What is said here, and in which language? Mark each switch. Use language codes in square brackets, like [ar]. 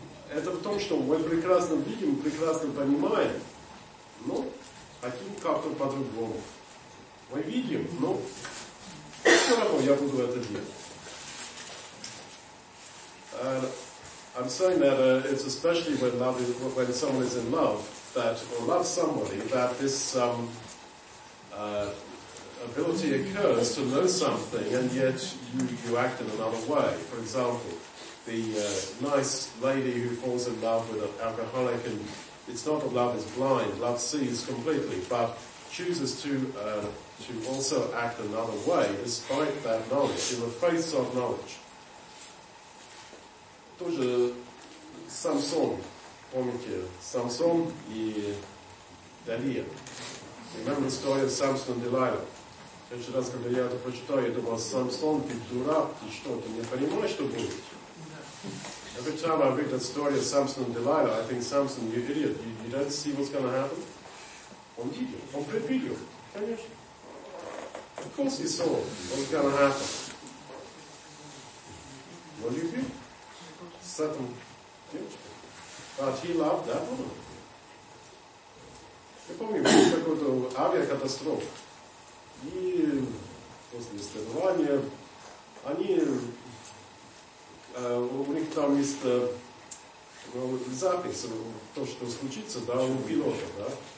[ru] Это в том, что мы прекрасно видим, прекрасно понимаем, но хотим как-то по-другому. Мы видим, но все равно я буду это делать. [en] I'm saying that it's especially when love is, when someone is in love, that or love somebody, that this ability occurs to know something and yet you act in another way. For example, the nice lady who falls in love with an alcoholic, and it's not that love is blind, love sees completely, but chooses to also act another way despite that knowledge, in the face of knowledge. [ru] Тоже Самсон, помните, Самсон и Далия. [en] Remember the story of Samson and Delilah? [ru] Еще раз, когда я это прочитаю, я думал, Самсон, ты дурак, ты что, ты не понимаешь, что будет? [en] Every time I read that story of Samson and Delilah, I think, Samson, you idiot, you don't see what's going to happen? [ru] Он видел, он предвидел, конечно. [en] Of course he saw what's going to happen. [ru] Но любил с этим девочкой. [en] But he loved that woman. [ru] Я помню, был какой-то авиакатастроф. И после исследования они у них там есть запись, то, что случится, да, у пилота, да.